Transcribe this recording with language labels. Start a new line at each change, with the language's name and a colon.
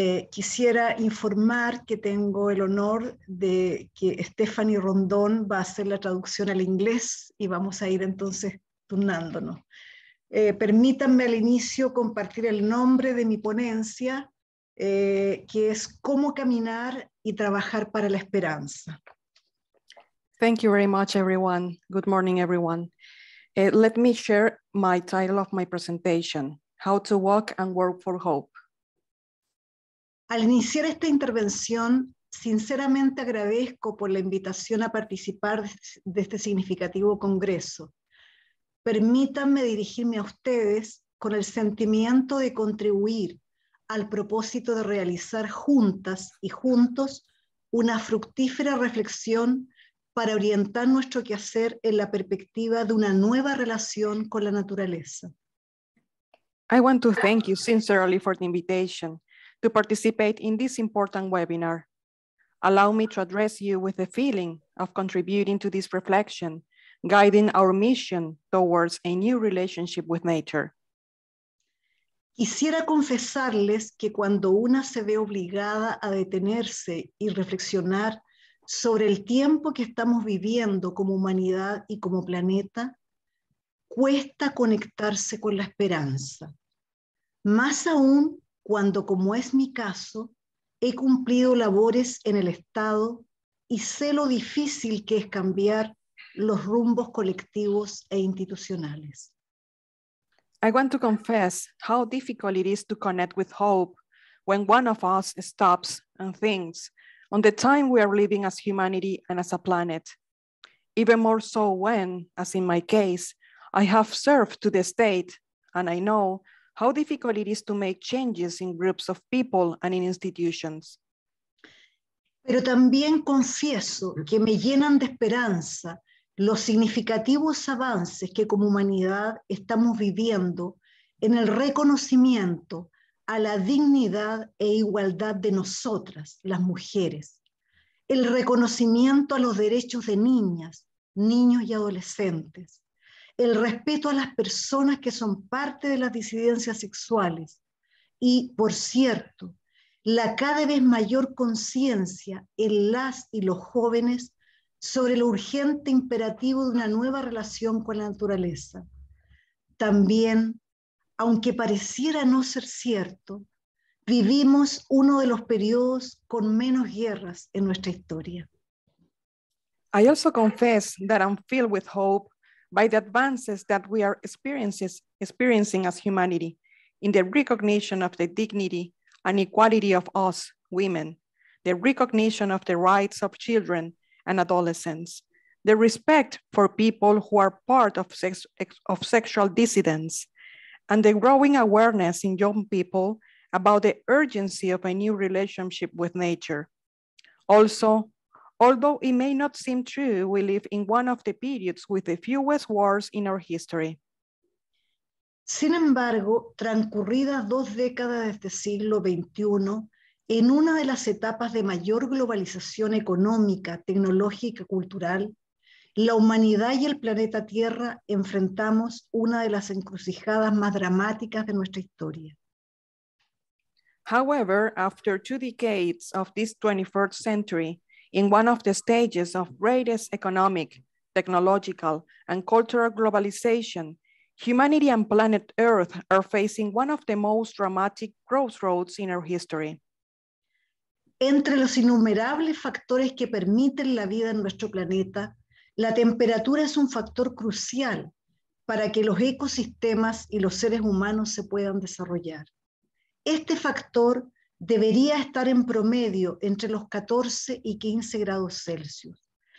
Spanish: Quisiera informar que tengo el honor de que Stephanie Rondón va a hacer la traducción al inglés y vamos a ir entonces turnándonos. Permítanme al inicio compartir el nombre de mi ponencia, que es Cómo caminar y trabajar para la esperanza.
English: Thank you very much, everyone. Good morning, everyone. Let me share my title of my presentation, How to Walk and Work for Hope.
Spanish: Al iniciar esta intervención, sinceramente agradezco por la invitación a participar de este significativo congreso. Permítanme dirigirme a ustedes con el sentimiento de contribuir al propósito de realizar juntas y juntos una fructífera reflexión para orientar nuestro quehacer en la perspectiva de una nueva relación con la naturaleza.
English: I want to thank you sincerely for the invitation to participate in this important webinar. Allow me to address you with the feeling of contributing to this reflection, guiding our mission towards a new relationship with nature.
Spanish: Quisiera confesarles que cuando una se ve obligada a detenerse y reflexionar sobre el tiempo que estamos viviendo como humanidad y como planeta, cuesta conectarse con la esperanza. Más aún cuando, como es mi caso, he cumplido labores en el Estado y sé lo difícil que es cambiar los rumbos colectivos e institucionales.
English: I want to confess how difficult it is to connect with hope when one of us stops and thinks on the time we are living as humanity and as a planet. Even more so when, as in my case, I have served to the state, and I know how difficult it is to make changes in groups of people and in institutions.
Spanish: Pero también confieso que me llenan de esperanza los significativos avances que como humanidad estamos viviendo en el reconocimiento a la dignidad e igualdad de nosotras, las mujeres, el reconocimiento a los derechos de niñas, niños y adolescentes, el respeto a las personas que son parte de las disidencias sexuales y, por cierto, la cada vez mayor conciencia en las y los jóvenes sobre el urgente imperativo de una nueva relación con la naturaleza. También, aunque pareciera no ser cierto, vivimos uno de los periodos con menos guerras en nuestra historia.
English: I also confess that I'm filled with hope by the advances that we are experiencing as humanity in the recognition of the dignity and equality of us, women, the recognition of the rights of children and adolescents, the respect for people who are part of sexual dissidents, and the growing awareness in young people about the urgency of a new relationship with nature. Also, although it may not seem true, we live in one of the periods with the fewest wars in our history.
Spanish: Sin embargo, transcurridas dos décadas de este siglo XXI, en una de las etapas de mayor globalización económica, tecnológica, cultural, la humanidad y el planeta Tierra enfrentamos una de las encrucijadas más dramáticas de nuestra historia.
English: However, after two decades of this 21st century, in one of the stages of greatest economic, technological, and cultural globalization, humanity and planet Earth are facing one of the most dramatic crossroads in our history.
Spanish: Entre los innumerables factores que permiten la vida en nuestro planeta, la temperatura es un factor crucial para que los ecosistemas y los seres humanos se puedan desarrollar. Este factor debería estar en promedio entre los 14 y 15 grados Celsius.